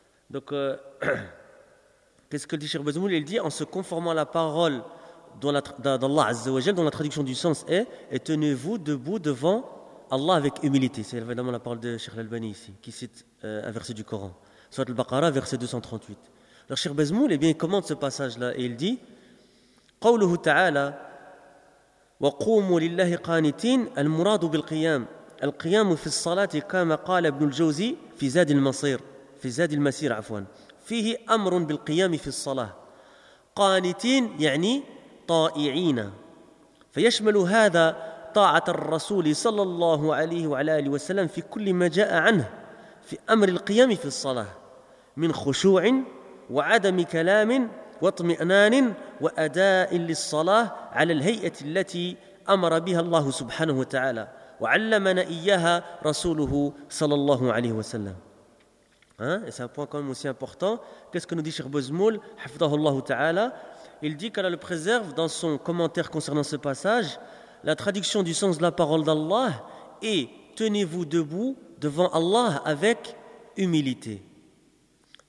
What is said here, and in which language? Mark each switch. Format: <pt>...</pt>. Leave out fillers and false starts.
<fr>Donc, qu'est-ce que dit Cheikh Bazmoul? Il dit, en se conformant à la parole d'Allah Azza wa Jal, dont la traduction du sens est « et tenez-vous debout devant Allah avec humilité ». C'est évidemment la parole de Cheikh al-Albani ici, qui cite un verset du Coran, soit le Baqara, verset 238. Alors, Cheikh Bazmoul, eh bien, il commente ce passage-là et il dit</fr> <ar>« Qawluhu ta'ala wa qumu lillahi qanitin al-muradu bil-qiyam al-qiyamu fi s-salati kama qala ibn al-jawzi fi zad al-masir fi zad al-masir, afwan » فيه أمر بالقيام في الصلاة قانتين يعني طائعين فيشمل هذا طاعة الرسول صلى الله عليه وعلى آله وسلم في كل ما جاء عنه في أمر القيام في الصلاة من خشوع وعدم كلام واطمئنان وأداء للصلاة على الهيئة التي أمر بها الله سبحانه وتعالى وعلمنا إياها رسوله صلى الله عليه وسلم.</ar> <fr>Hein, et c'est un point quand même aussi important. Qu'est-ce que nous dit Cheikh Bazmoul, hafidahullah ta'ala? Il dit qu'Allah le préserve dans son commentaire concernant ce passage, la traduction du sens de la parole d'Allah est « tenez-vous debout devant Allah avec humilité ».</fr>